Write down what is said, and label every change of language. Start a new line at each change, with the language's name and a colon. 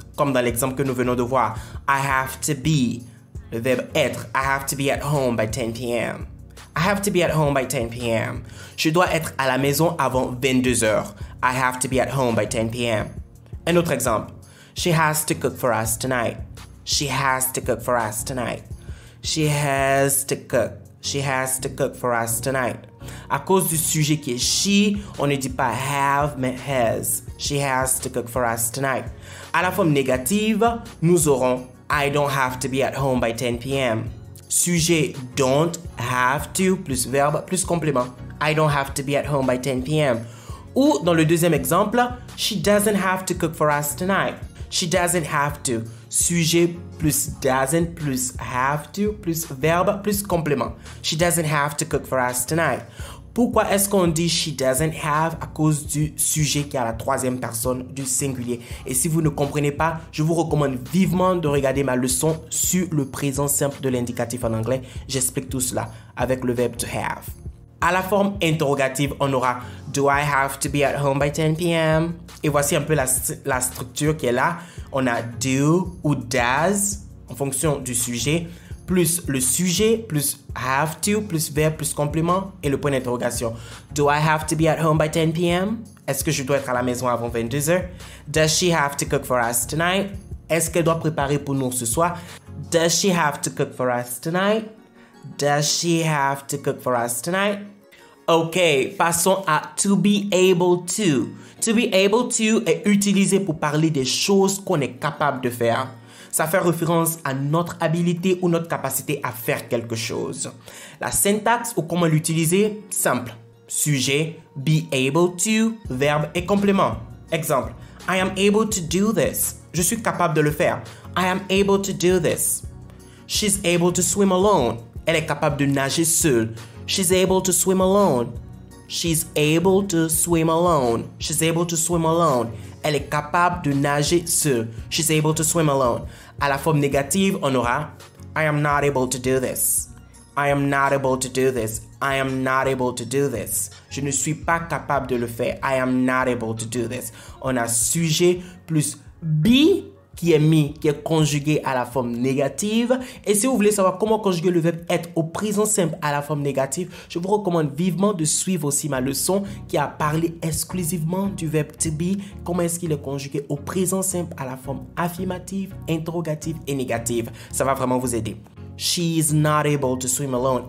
French: Comme dans l'exemple que nous venons de voir,
English: I have to be.
French: Le verbe être,
English: I have to be at home by 10 p.m. I have to be at home by 10 p.m.
French: Je dois être à la maison avant 22 heures.
English: I have to be at home by 10 p.m.
French: Un autre exemple.
English: She has to cook for us tonight. She has to cook for us tonight. She has to cook. She has to cook for us tonight.
French: À cause du sujet qui est she, on ne dit pas have, mais has.
English: She has to cook for us tonight.
French: À la forme négative, nous aurons
English: I don't have to be at home by 10 p.m.
French: Sujet
English: don't have to
French: plus verbe plus complément.
English: I don't have to be at home by 10 p.m.
French: Ou dans le deuxième exemple,
English: she doesn't have to cook for us tonight. She doesn't have to.
French: Sujet plus doesn't plus have to plus verbe plus complément.
English: She doesn't have to cook for us tonight.
French: Pourquoi est-ce qu'on dit
English: she doesn't have
French: à cause du sujet qui a la troisième personne du singulier? Et si vous ne comprenez pas, je vous recommande vivement de regarder ma leçon sur le présent simple de l'indicatif en anglais. J'explique tout cela avec le verbe to have. À la forme interrogative, on aura
English: do I have to be at home by 10 p.m.?
French: Et voici un peu la structure qui est là. On a do ou does en fonction du sujet. Plus le sujet, plus have to, plus verbe, plus complément et le point d'interrogation.
English: Do I have to be at home by 10 p.m.?
French: Est-ce que je dois être à la maison avant 22 heures?
English: Does she have to cook for us tonight?
French: Est-ce qu'elle doit préparer pour nous ce soir?
English: Does she have to cook for us tonight? Does she have to cook for us tonight?
French: Ok, passons à to be able to. To be able to est utilisé pour parler des choses qu'on est capable de faire. Ça fait référence à notre habilité ou notre capacité à faire quelque chose. La syntaxe ou comment l'utiliser, simple. Sujet, be able to, verbe et complément.
English: Exemple, I am able to do this.
French: Je suis capable de le faire.
English: I am able to do this. She's able to swim alone.
French: Elle est capable de nager seule.
English: She's able to swim alone. She's able to swim alone. She's able to swim alone.
French: Elle est capable de nager seule.
English: She's able to swim alone.
French: À la forme négative, on aura
English: I am not able to do this. I am not able to do this. I am not able to do this.
French: Je ne suis pas capable de le faire.
English: I am not able to do this.
French: On a sujet plus be qui est mis, qui est conjugué à la forme négative. Et si vous voulez savoir comment conjuguer le verbe être au présent simple à la forme négative, je vous recommande vivement de suivre aussi ma leçon qui a parlé exclusivement du verbe to be, comment est-ce qu'il est conjugué au présent simple à la forme affirmative, interrogative et négative. Ça va vraiment vous aider.
English: She is not able to swim alone.